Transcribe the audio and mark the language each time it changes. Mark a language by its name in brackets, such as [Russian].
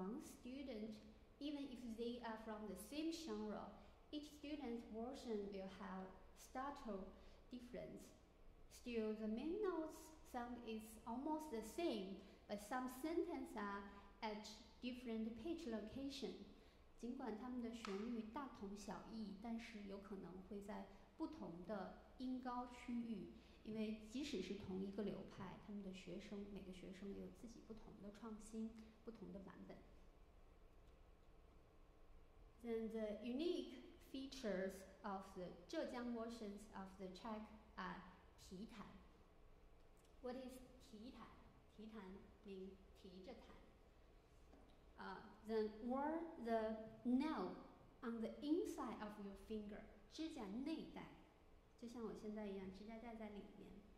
[English] Wang's student, even if they are from the same genre, each student's version will have subtle difference. Still, the main notes sound is almost the same, but some sentences are at different pitch location. [Chinese] 尽管他们的旋律大同小异，但是有可能会在不同的音高区域，因为即使是同一个流派，他们的学生，每个学生有自己不同的创新，不同的版本。 [English] Then the unique features of the Zhejiang versions of the Czech are 提弹。 What is [Chinese] 提弹？提弹名提着弹。 [English] Then wear the nail on the inside of your finger, [Chinese] 指甲内带，就像我现在一样，指甲戴在里面。